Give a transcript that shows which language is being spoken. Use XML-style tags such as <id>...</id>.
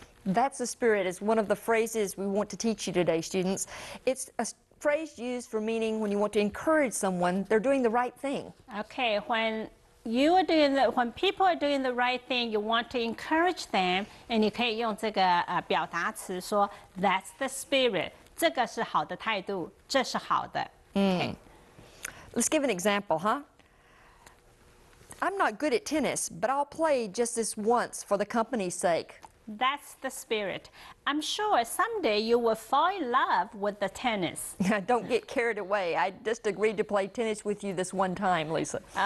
<en>That's the spirit is one of the phrases we want to teach you today, students. It's a phrase used for meaning when you want to encourage someone, they're doing the right thing. Okay, when people are doing the right thing, you want to encourage them, and you</en> <zh>可以用这个表达词说</zh> <en>that's the spirit.</en> <zh>这个是好的态度，这是好的。</zh> <en>Let's give an example, huh? I'm not good at tennis, but I'll play just this once for the company's sake. That's the spirit. I'm sure someday you will fall in love with the tennis. Don't get carried away. I just agreed to play tennis with you this one time, Lisa.</en>